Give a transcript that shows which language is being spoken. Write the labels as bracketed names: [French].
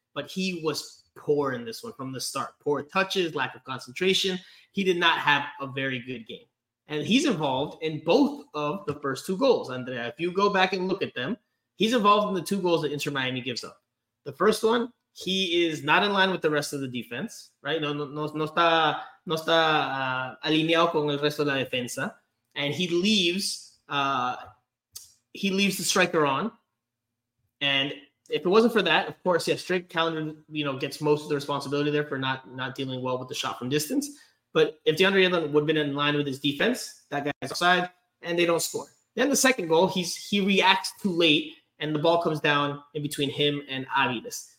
[English] But he was poor in this one from the start. Poor touches, lack of concentration. He did not have a very good game. And he's involved in both of the first two goals. And if you go back and look at them, he's involved in the two goals that Inter Miami gives up. The first one, he is not in line with the rest of the defense, right? [Spanish] No está alineado con el resto de la defensa. [English] And he leaves the striker on. And if it wasn't for that, of course, yes, Drake Callender, you know, gets most of the responsibility there for not dealing well with the shot from distance. But if DeAndre Yedlin would have been in line with his defense, that guy's offside, and they don't score. Then the second goal, he reacts too late, and the ball comes down in between him and Avilés.